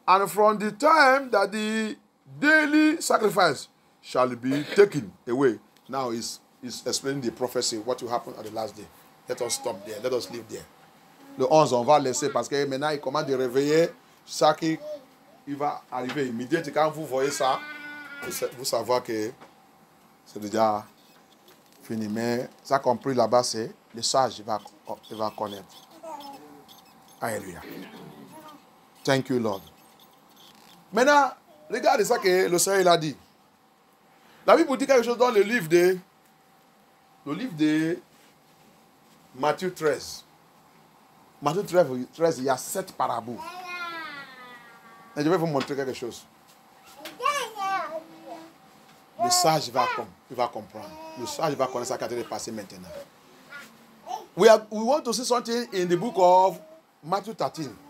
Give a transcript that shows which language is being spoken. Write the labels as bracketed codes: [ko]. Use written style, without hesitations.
[en] And from the time that the daily sacrifice shall be taken away. Now he's explaining the prophecy, what will happen at the last day. Let us stop there. Let us leave there. [fr] Le 11, on va laisser parce que maintenant il commence de réveiller ça qui va arriver immédiatement. Quand vous voyez ça, vous savez que c'est déjà fini. Mais ça compris là-bas, c'est le sage il va connaître. Alléluia. [en] Thank you, Lord. [fr] Maintenant, regardez ça que le Seigneur a dit. La Bible dit quelque chose dans le livre de Matthieu 13. Matthieu 13, il y a 7 parabole. Je vais vous montrer quelque chose. Le sage va comprendre. Le sage va connaître ce qui est passé maintenant. [en] We want to see something in the book of Matthew 13.